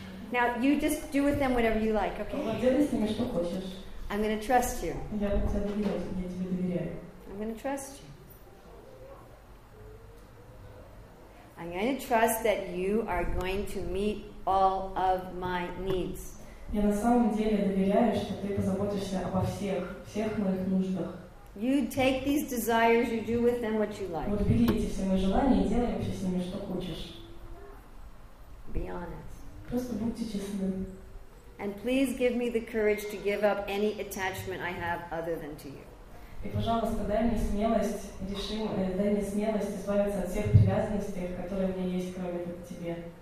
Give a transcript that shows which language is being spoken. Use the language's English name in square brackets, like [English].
[English] Now you just do with them whatever you like, okay? I'm going to trust you. I'm going to trust you. I'm going to trust that you are going to meet all of my needs. [Russian] Я на самом деле доверяю, что ты позаботишься обо всех, всех моих нуждах. [English] You take these desires, you do with them what you like. [Russian] Вот бери эти все мои желания и делай вообще с ними что хочешь. [English] Be honest. [Russian] Просто будьте честны. [English] And please give me the courage to give up any attachment I have other than to you. [Russian] И пожалуйста, дай мне смелость, дай мне смелость избавиться от всех привязанностей, которые у меня есть, кроме как тебе.